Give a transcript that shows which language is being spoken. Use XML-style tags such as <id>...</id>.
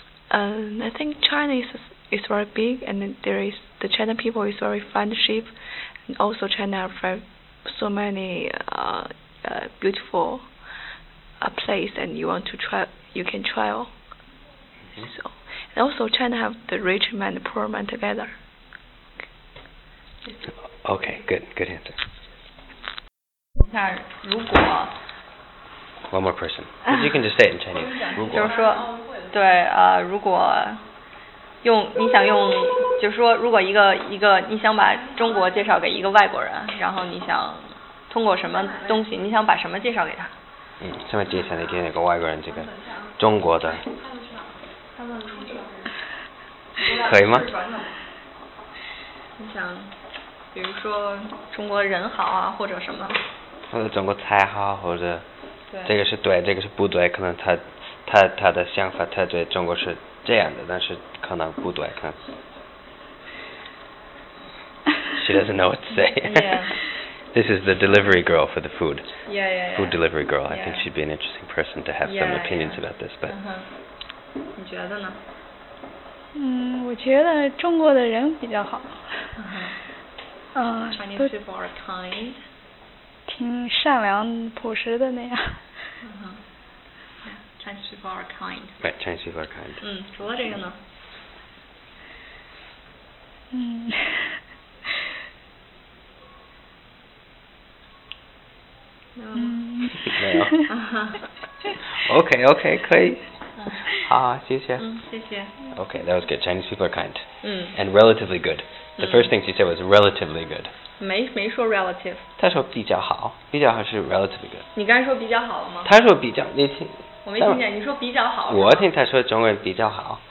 <en>I think China is very big, and there is the China people is very friendship, and also China have so many beautiful place, and you want to try, you can try all. Mm-hmm. So, and also China have the rich man, the poor man together. Okay, good answer.</en> <zh>那如果</zh> <en>One more person. You can just say it in Chinese.</en> <zh>就是说，对，如果用你想用，就是说，如果一个你想把中国介绍给一个外国人，然后你想通过什么东西，你想把什么介绍给他？嗯，什么介绍你给那个外国人？这个中国的，可以吗？你想，比如说中国人好啊，或者什么？或者中国菜好，或者。这个是对，这个是不对，可能他的想法太对，中国是这样的，但是可能不对，可能。</zh> <en>She doesn't know what to say. Yeah. This is the delivery girl for the food. Yeah, yeah, yeah. Food delivery girl. Yeah. I think she'd be an interesting person to have some opinions about this, but.</en> <zh>Uh-huh. 你觉得呢？我觉得中国的人比较好。</zh> <en>Chinese people are kind.</en> <zh>挺善良朴实的那样。</zh> <en>Chinese people are kind. Right, Chinese people are kind.</en> <zh>嗯，除了这个呢？嗯，没有。OK, OK, 可以。好，谢谢。嗯，谢谢。</zh> <en>OK, that was good. Chinese people are kind. 嗯。 And relatively good. The first thing she said was relatively good.</en> <zh>没说 relative，他说比较好，比较好是</zh> <en>relatively good。</en> <zh>你刚才说比较好了吗？他说比较，你听。我没听见，你说比较好。我听他说中国人比较好。</zh>